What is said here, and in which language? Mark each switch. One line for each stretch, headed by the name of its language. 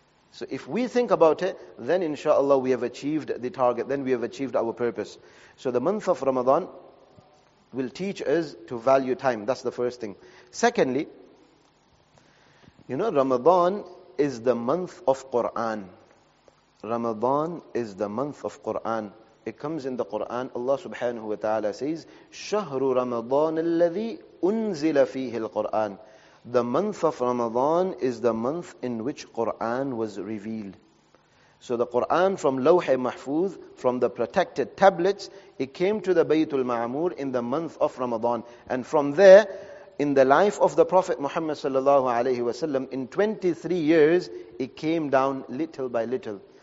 English: So if we think about it, then inshallah we have achieved the target, then we have achieved our purpose. So the month of Ramadan will teach us to value time. That's the first thing. Secondly, you know, Ramadan is the month of Quran. Ramadan is the month of Quran. It comes in the Quran. Allah subhanahu wa ta'ala says,
Arabic: شَهْرُ رَمَضَانَ الَّذِي أُنزِلَ فِيهِ الْقُرْآنِ.
English: The month of Ramadan is the month in which Quran was revealed. So the Quran from Lawh-e Mahfuz, from the protected tablets, it came to the Baytul Ma'amur in the month of Ramadan. And from there, in the life of the Prophet Muhammad sallallahu alayhi wa sallam, in 23 years, it came down little by little.